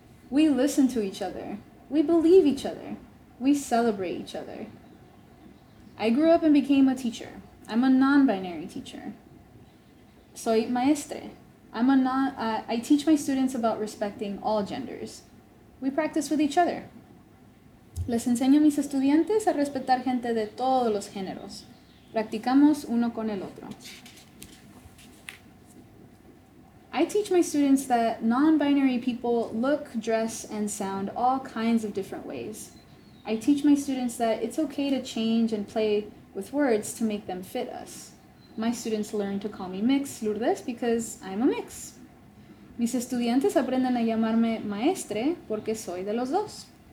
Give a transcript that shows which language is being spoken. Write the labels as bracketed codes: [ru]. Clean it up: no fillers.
[en] We listen to each other. We believe each other. We celebrate each other. I grew up and became a teacher. I'm a non-binary teacher. [es] Soy maestre. [en] I teach my students about respecting all genders. We practice with each other. [es] Les enseño a mis estudiantes a respetar gente de todos los géneros. Practicamos uno con el otro. [en] I teach my students that non-binary people look, dress, and sound all kinds of different ways. I teach my students that it's okay to change and play with words to make them fit us. My students learn to call me Mix Lourdes because I'm a mix. [es] Mis estudiantes aprenden a llamarme maestre porque soy de los dos.